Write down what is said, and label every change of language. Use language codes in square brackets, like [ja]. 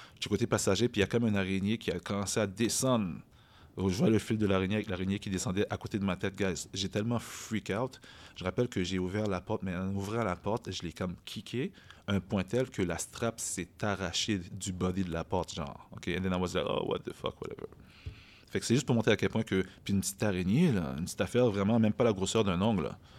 [fr] J'étais côté passager, puis il y a comme une araignée qui a commencé à descendre. Je vois le fil de l'araignée avec l'araignée qui descendait à côté de ma tête, guys. J'ai tellement freak out. Je rappelle que j'ai ouvert la porte, mais en ouvrant la porte, je l'ai comme kické, un point tel que la strap s'est arrachée du body de la porte, genre. [en] OK, and then I was like, oh, what the fuck, whatever. [fr] Fait que c'est juste pour montrer à quel point que. Puis une petite araignée, là, une petite affaire, vraiment, même pas la grosseur d'un ongle, là.